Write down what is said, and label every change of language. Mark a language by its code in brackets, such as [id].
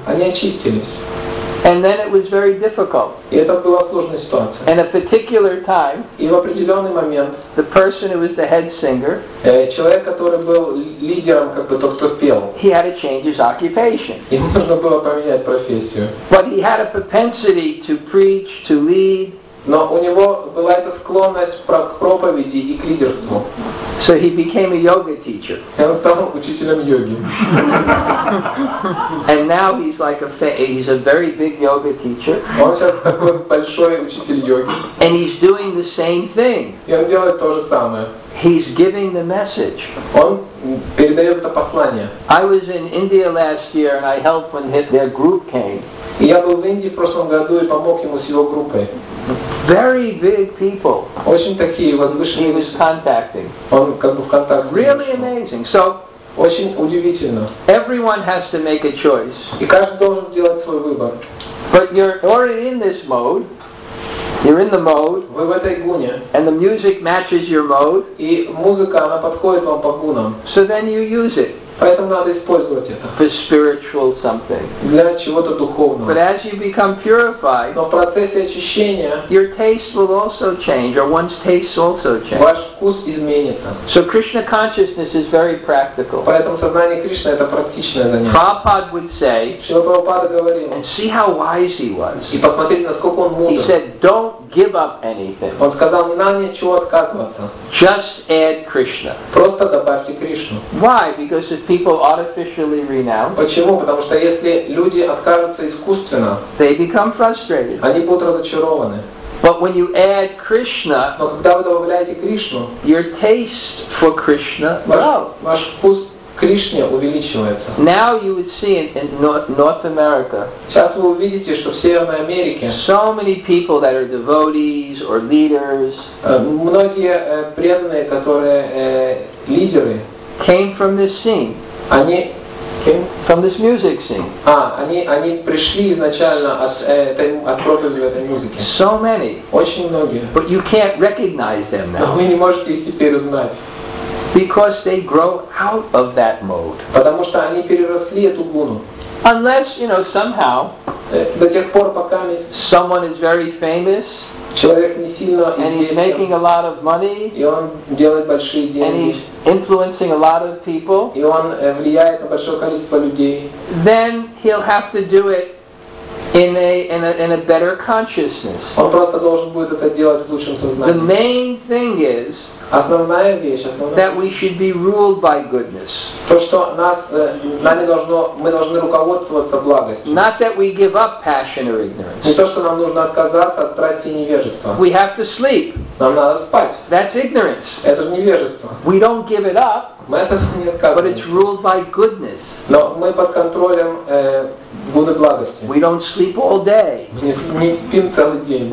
[ru] Они очистились. [en] And then it was very difficult. [ru] И это была сложная ситуация. [en] And a particular time. [ru] И в определенный момент. [en] The person who was the head singer. [ru] Человек, который был лидером, как бы тот, кто пел. [en] He had to change his occupation. [ru] Ему нужно было поменять профессию. [en] But he had a propensity to preach, to lead. [ru] Но у него была эта склонность к проповеди и к лидерству. [en] So he became a yoga teacher. [ru] И он стал учителем йоги. [en] And now he's like he's a very big yoga teacher. [ru] Он сейчас такой большой учитель йоги. [en] And he's doing the same thing. [ru] И он делает то же самое. [en] He's giving the message. [ru] Он передает это послание. [en] I was in India last year and I helped when their group came. [ru] И я был в Индии в прошлом году и помог ему с его группой. [en] Very big people. [ru] Очень такие возвышенные. [en] He was contacting. [ru] Он как бы в контакт. [en] Really amazing. So. [ru] Очень удивительно. [en] Everyone has to make a choice. [ru] И каждый должен делать свой выбор. [en] But you're already in this mode. You're in the mode. [ru] Вы в этой гуне. [en] And the music matches your mode. [ru] И музыка она подходит вам по гунам. [en] So then you use it. [ru] Поэтому надо использовать это. [en] For spiritual something. [ru] Для чего-то духовного. [en] But as you become purified. [ru] Но в процессе очищения. [en] Your taste will also change, or one's taste also change. [ru] Ваш вкус изменится. [en] So Krishna consciousness is very practical. [ru] Поэтому сознание Кришны это практичное занятие. [en] Prabhupada would say. [ru] Шрила Прабхупада говорил. [en] And see how wise he was. [ru] И посмотрите, насколько он мудр. [en] He said, don't give up anything. [ru] Он сказал, не надо ничего отказываться. [en] Just add Krishna. [ru] Просто добавьте Кришну. [en] Why? Because if people artificially renounce. [ru] Почему? Потому что если люди откажутся искусственно, [en] they become frustrated. [ru] Они будут разочарованы. [en] But when you add Krishna, [ru] но когда вы добавляете Кришну, [en] your taste for Krishna grows. [ru] Ваш вкус Кришне увеличивается. [en] Now you would see in North America. [ru] Сейчас вы увидите, что в Северной Америке. [en] So many people that are devotees or leaders. [ru] Многие преданные, которые лидеры. [en] Came from this scene. [ru] Они Okay. [en] From this music scene. [ru] Они пришли изначально от родовью этой музыки. [en] So many. [ru] Очень многие. [en] But you can't recognize them now. [ru] Но вы не можете их теперь узнать. [en] Because they grow out of that mode. [ru] Потому что они переросли эту гуну. [en] Unless, you know, somehow, [ru] до тех пор, пока не... [en] someone is very famous, [ru] человек не сильно известен, [en] and he's making a lot of money, [ru] и он делает большие деньги, [en] and he's influencing a lot of people, [ru] и он влияет на большое количество людей, [en] then he'll have to do it in a better consciousness. [ru] Он просто должен будет это делать в лучшем сознании. [en] The main thing is, [ru] основная вещь, основная, [en] that we should be ruled by goodness. [ru] То, что мы должны руководствоваться благостью. [en] Not that we give up passion or ignorance. [ru] Не то, что нам нужно отказаться от страсти и невежества. [en] We have to sleep. [ru] Нам надо спать. [en] That's ignorance. [ru] Это же невежество. [en] We don't give it up. [ru] Мы от этого не отказываемся. [en] But it's ruled by goodness. [ru] Но мы под контролем гуны благости. [en] We don't sleep all day. [ru] Мы не спим целый день.